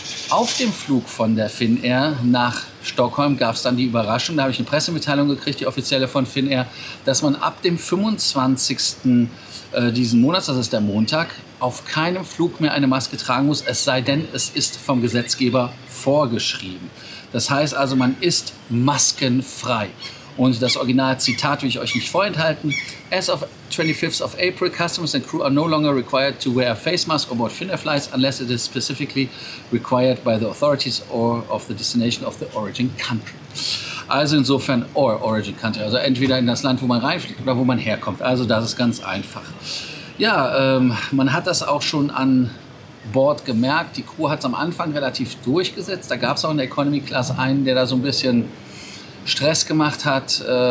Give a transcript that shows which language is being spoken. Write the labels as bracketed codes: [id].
[de] Auf dem Flug von der Finnair nach Stockholm gab es dann die Überraschung, da habe ich eine Pressemitteilung gekriegt, die offizielle von Finnair, dass man ab dem 25. diesen Monats, das ist der Montag, auf keinem Flug mehr eine Maske tragen muss, es sei denn, es ist vom Gesetzgeber vorgeschrieben. Das heißt also, man ist maskenfrei. Und das Originalzitat will ich euch nicht vorenthalten. [en] As of 25th of April, customers and crew are no longer required to wear a face mask aboard Finnair flights unless it is specifically required by the authorities or of the destination of the origin country. [de] Also insofern, [en] or origin country, [de] also entweder in das Land, wo man reinfliegt oder wo man herkommt. Also das ist ganz einfach. Ja, man hat das auch schon an Bord gemerkt. Die Crew hat es am Anfang relativ durchgesetzt. Da gab es auch in der Economy Class einen, der da so ein bisschen Stress gemacht hat.